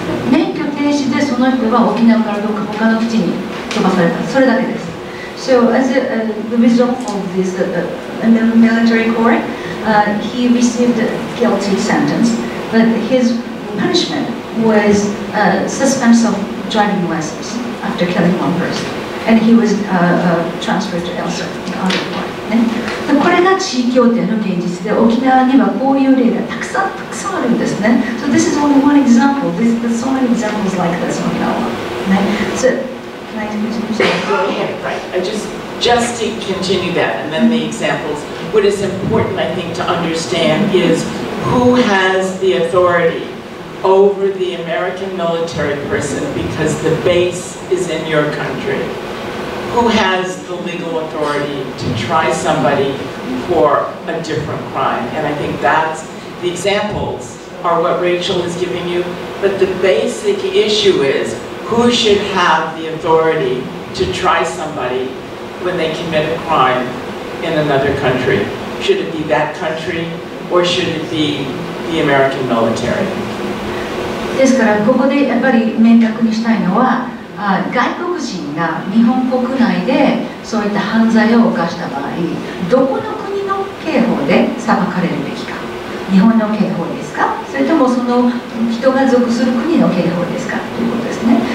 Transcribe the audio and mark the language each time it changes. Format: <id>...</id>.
<ja>免許停止でその人は沖縄からどこか他の基地に飛ばされた。それだけです。</ja> <en>So as the result of this military court, he received a guilty sentence, but his punishment was suspense of driving license after killing one person, and he was transferred to elsewhere.</en> <ja>でこれが地位協定の現実で沖縄にはこういう例がたくさんたくさんあるんですね。</ja> <en>So this is only one example. There's so many examples like this on Okinawa. So. Right. I just to continue that and then the examples. What is important, I think, to understand is who has the authority over the American military person because the base is in your country. Who has the legal authority to try somebody for a different crime? And I think that's the examples are what Rachel is giving you. But the basic issue is. Who should have the authority to try somebody when they commit a crime in another country? Should it be that country or should it be the American military?</en> <ja>ですからここでやっぱり明確にしたいのは、外国人が日本国内でそういった犯罪を犯した場合、どこの国の刑法で裁かれるべきか。日本の刑法ですか?それともその人が属する国の刑法ですか?ということですね。</ja>